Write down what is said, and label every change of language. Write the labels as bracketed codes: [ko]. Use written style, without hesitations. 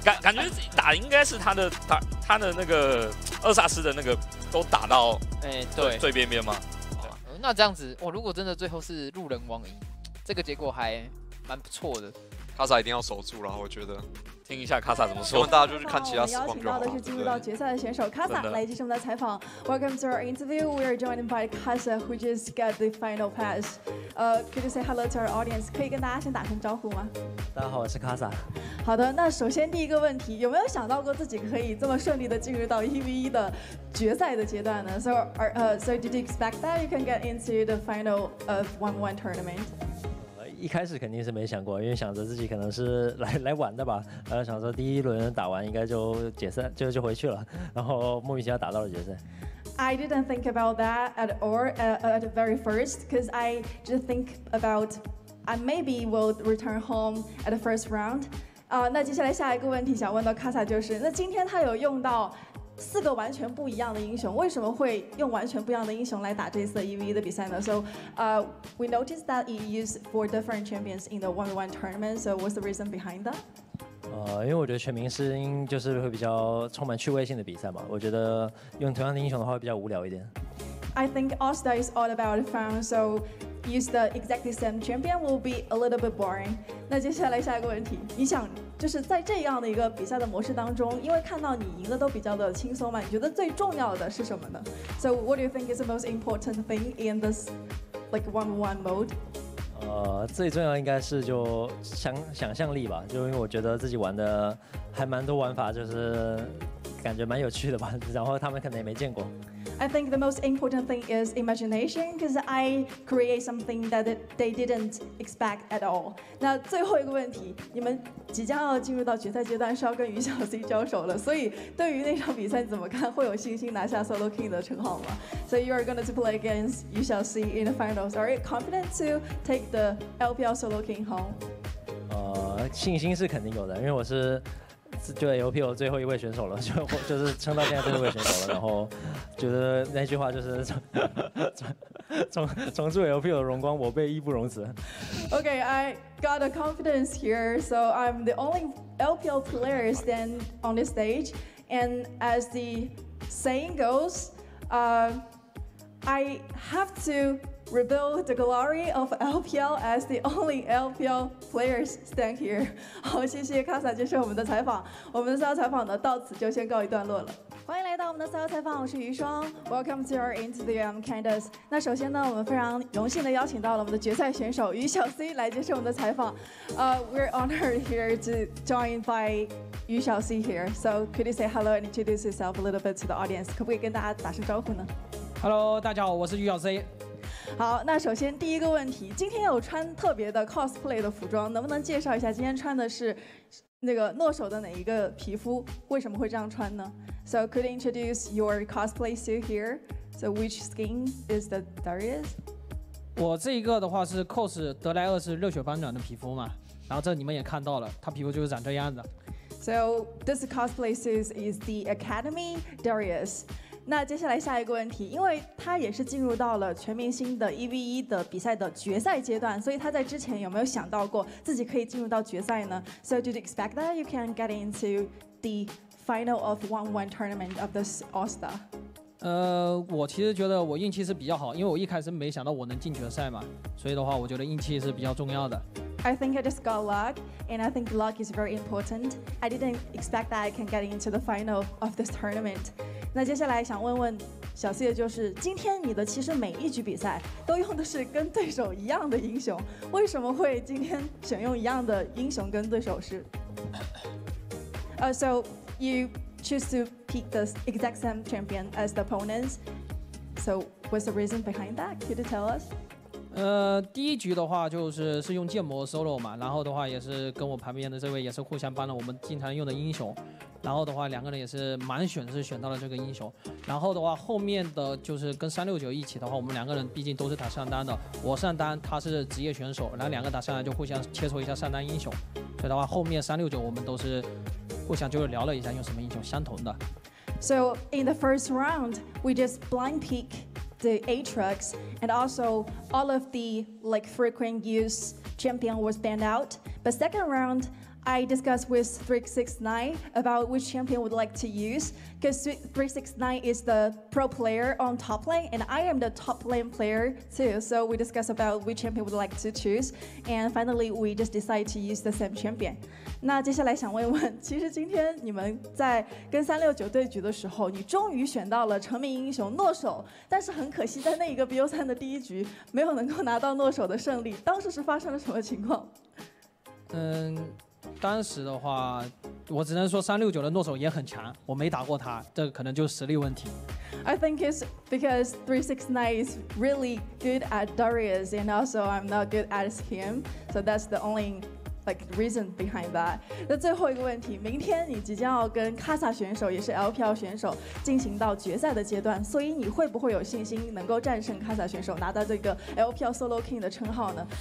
[zh] 感觉打应该是他的那个二杀师的那个都打到对最边边嘛。那这样子，如果真的最后是路人王赢，这个结果还蛮不错的。卡萨一定要守住了，我觉得。听一下卡萨怎么说。希望大家就是看其他实况就好了。我们邀请到的是进入到决赛的选手卡萨，来接受我们的采访。 [en] Welcome to our interview. We are joined by Kasa, who just got the final pass. Could you say hello to our audience? [zh] 可以跟大家先打声招呼吗？大家好，我是卡萨。好的，那首先第一个问题，有没有想到过自己可以这么顺利的进入到一 v 一的决赛的阶段呢 ？ [en] So did you expect that you can get into the final of 1v1 tournament? [zh] 一开始肯定是没想过，因为想着自己可能是来玩的吧，想着第一轮打完应该就解散，就回去了，然后莫名其妙打到了决赛。 [en] I didn't think about that at all at the very first, because I just think about I maybe will return home at the first round. [zh] 那接下来下一个问题想问到卡萨就是，那今天他有用到四个完全不一样的英雄，为什么会用完全不一样的英雄来打这次 EV 的比赛呢 ？ [en] So, we noticed that he used four different champions in the 1v1 tournament. So, what's the reason behind that? [zh] 因为我觉得全明星就是会比较充满趣味性的比赛嘛。我觉得用同样的英雄的话会比较无聊一点。 [en] I think All Star is all about fun. So, use the exactly same champion will be a little bit boring. [zh] 那接下来下一个问题，你想？就是在这样的一个比赛的模式当中，因为看到你赢的都比较的轻松嘛，你觉得最重要的是什么呢 ？ [en] So what do you think is the most important thing in this like one-on-one mode？ [zh] 最重要应该是就想象力吧，就因为我觉得自己玩的还蛮多玩法，就是感觉蛮有趣的吧，然后他们可能也没见过。 [en] I think the most important thing is imagination, because I create something that they didn't expect at all. [zh] 那最后一个问题，你们即将要进入到决赛阶段，是要跟于小 C 交手了，所以对于那场比赛怎么看，会有信心拿下 Solo King 的称号吗 ？ [en] So you are going to play against 于小 C in the finals. Are you confident to take the LPL Solo King home? [zh] 信心是肯定有的，因为我是。就在 LPL 最后一位选手了，就是撑到现在最后一位选手了，然后觉得那句话就是重铸 LPL 的荣光，我辈义不容辞。 [en] Okay, I got a confidence here, so I'm the only LPL player stand on this stage, and as the saying goes, I have to rebuild the glory of LPL as the only LPL players stand here. [zh] 好，谢谢卡萨接受我们的采访。我们的赛后采访呢，到此就先告一段落了。欢迎来到我们的赛后采访，我是余霜。 [en] Welcome to our interview, I'm Candace. [zh] 那首先呢，我们非常荣幸的邀请到了我们的决赛选手于小 C 来接受我们的采访。 [en] We're honored here to join by 于小 C here. So could you say hello and introduce yourself a little bit to the audience? [zh] 可不可以跟大家打声招呼呢？Hello, 大家好，我是于小 C。好，那首先第一个问题，今天有穿特别的 cosplay 的服装，能不能介绍一下今天穿的是那个诺手的哪一个皮肤？为什么会这样穿呢 ？ [en] So could you introduce your cosplay suit here? So which skin is the Darius? [zh] 我这一个的话是 cos 德莱厄是热血翻转的皮肤嘛，然后这你们也看到了，他皮肤就是长这样的。 [en] So this cosplay suit is the Academy Darius. [zh] 那接下来下一个问题，因为他也是进入到了全明星的 1v1 的比赛的决赛阶段，所以他在之前有没有想到过自己可以进入到决赛呢 ？ [en] So did you expect that you can get into the final of 1v1 tournament of this All Star？ [zh] 我其实觉得我运气是比较好，因为我一开始没想到我能进决赛嘛，所以的话，我觉得运气是比较重要的。 [en] I think I just got luck, and I think luck is very important. I didn't expect that I can get into the final of this tournament. [zh] 那接下来想问问小 C 的就是，今天你的其实每一局比赛都用的是跟对手一样的英雄，为什么会今天选用一样的英雄跟对手是？ [en] So you choose to pick the exact same champion as the opponents. So what's the reason behind that? Could you tell us? [zh] 第一局的话就是用剑魔 solo 嘛，然后的话也是跟我旁边的这位也是互相帮了我们经常用的英雄，然后的话两个人也是满选是选到了这个英雄，然后的话后面的就是跟369一起的话，我们两个人毕竟都是打上单的，我上单他是职业选手，然后两个打上来就互相切磋一下上单英雄，所以的话后面369我们都是互相就是聊了一下用什么英雄相同的。 [en] So in the first round we just blind peekThe Aatrox and also all of the like frequent use champion was banned out. But second round, I discussed with 369 about which champion would like to use, because 369 is the pro player on top lane, and I am the top lane player too. So we discussed about which champion would like to choose, and finally we just decided to use the same champion. [zh] 那接下来想问问，其实今天你们在跟369对局的时候，你终于选到了成名英雄诺手，但是很可惜，在那一个 BO3 的第一局没有能够拿到诺手的胜利，当时是发生了什么情况？当时的话，我只能说369的诺手也很强，我没打过他，这可能就是实力问题。 [en] I think it's because 369 is really good at Darius, and also I'm not good at him, so that's the only like reason behind that. [zh] 那最后一个问题，明天你即将要跟 Kasa 选手，也是 LPL 选手，进行到决赛的阶段，所以你会不会有信心能够战胜 Kasa 选手，拿到这个 LPL Solo King 的称号呢？